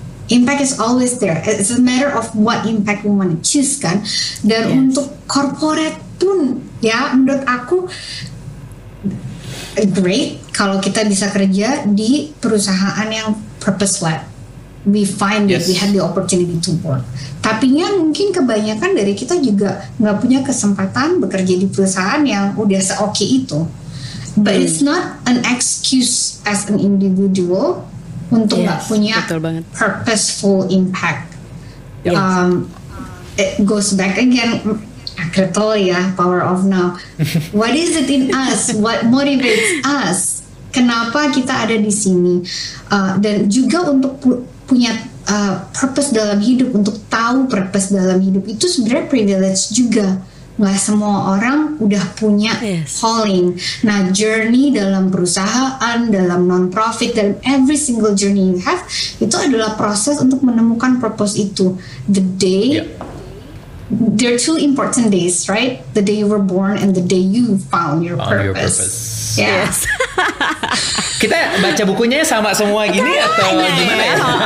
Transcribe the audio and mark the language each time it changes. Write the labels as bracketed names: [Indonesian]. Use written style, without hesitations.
[English] Impact is always there. It's a matter of what impact we want to choose, kan? [Indonesian] Dan yes. Untuk corporate pun, ya, menurut aku, great kalau kita bisa kerja di perusahaan yang purpose-led. [English] We find that we had the opportunity to work. [Indonesian] Tapi ya mungkin kebanyakan dari kita juga gak punya kesempatan bekerja di perusahaan yang udah se-okay itu. [English] But it's not an excuse as an individual [Indonesian] untuk gak punya [English] purposeful impact. It goes back again, akretol ya, power of now. What is it in us? What motivates us? [Indonesian] Kenapa kita ada di sini? Dan juga untuk punya purpose dalam hidup, untuk tahu purpose dalam hidup itu sebenarnya privilege juga. Nggak semua orang udah punya calling. Nah, journey dalam perusahaan, dalam non-profit, dalam [English] every single journey you have, [Indonesian] itu adalah proses untuk menemukan purpose itu. [English] The day, there are two important days, right? The day you were born and the day you found your purpose. Yes. [Indonesian] Kita baca bukunya sama semua gini atau gimana ya?